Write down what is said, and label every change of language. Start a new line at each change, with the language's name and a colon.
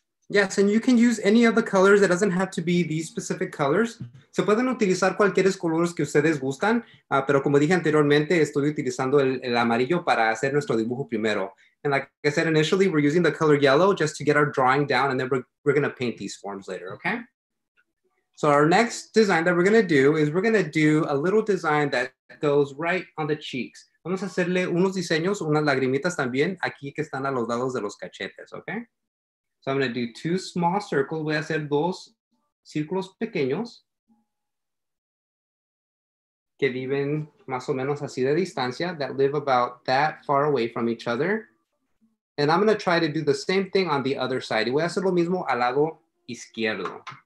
English: Yes, and you can use any of the colors. It doesn't have to be these specific colors.
Spanish: Se pueden utilizar cualquier colores que ustedes gustan, pero como dije anteriormente, estoy utilizando el amarillo para hacer nuestro dibujo primero.
English: And like I said initially, we're using the color yellow just to get our drawing down, and then we're going to paint these forms later, okay? So our next design that we're going to do is we're going to do a little design that goes right on the cheeks.
Spanish: Vamos a hacerle unos diseños, unas lagrimitas también, aquí que están a los lados de los cachetes, okay?
English: So I'm going to do two small circles.
Spanish: Voy a hacer dos círculos pequeños que viven más o menos así de distancia,
English: that live about that far away from each other. And I'm going to try to do the same thing on the other side.
Spanish: Y voy a hacer lo mismo al lado izquierdo.